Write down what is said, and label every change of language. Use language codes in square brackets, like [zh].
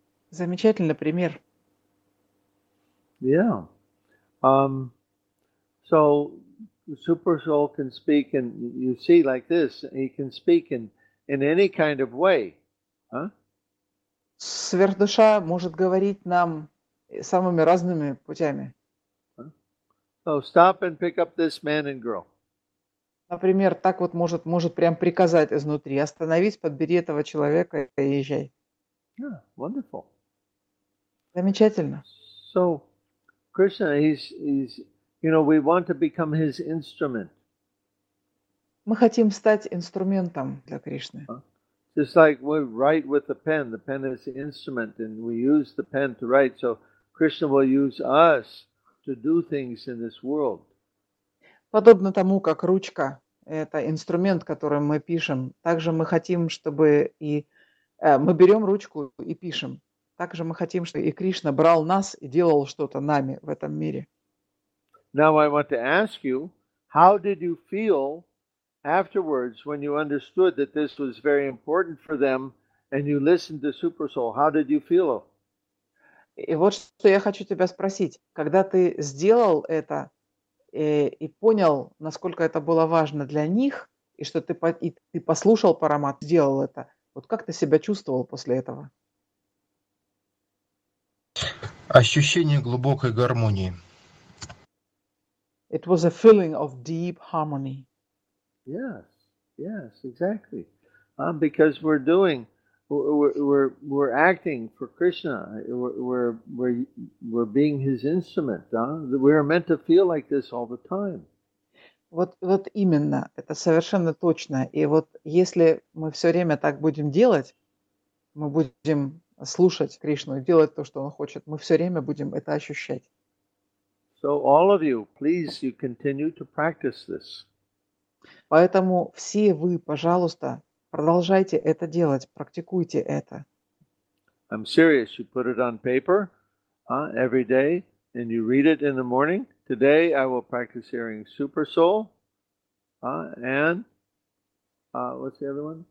[ru] Замечательный пример. [en] Yeah. So... The super soul can speak, and you see, like this, he can speak in any kind of way, huh? [ru] Сверхдуша может говорить нам самыми разными путями. [en] So stop and pick up this man and girl. [ru] Например, так вот может прям приказать изнутри: остановись, подбери этого человека и езжай. [en] Yeah, wonderful. [ru] Замечательно. [en] So, Krishna, he's you know, we want to become his instrument. [ru] Мы хотим стать инструментом для Кришны. [en] Just like we write with the pen is the instrument, and we use the pen to write. So Krishna will use us to do things in this world. [ru] Подобно тому, как ручка – это инструмент, которым мы пишем, также мы хотим, чтобы и мы берем ручку и пишем. Также мы хотим, чтобы и Кришна брал нас и делал что-то нами в этом мире. [en] Now I want to ask you, how did you feel afterwards when you understood that this was very important for them and you listened to Super Soul? How did you feel? [ru] И вот что я хочу тебя спросить. Когда ты сделал это и понял, насколько это было важно для них, и что ты послушал Парамат, сделал это, вот как ты себя чувствовал после этого? Ощущение глубокой гармонии. [en] It was a feeling of deep harmony. Yes, exactly. Because we're acting for Krishna. We're being his instrument. We're meant to feel like this all the time. [ru] Вот именно, это совершенно точно. И вот если мы все время так будем делать, мы будем слушать Кришну и делать то, что он хочет, мы все время будем это ощущать. [en] So all of you, please, you continue to practice this. [ru] Поэтому все вы, пожалуйста, продолжайте это делать, практикуйте это. [en] I'm serious. You put it on paper every day, and you read it in the morning. Today I will practice hearing Super Soul, and what's the other one?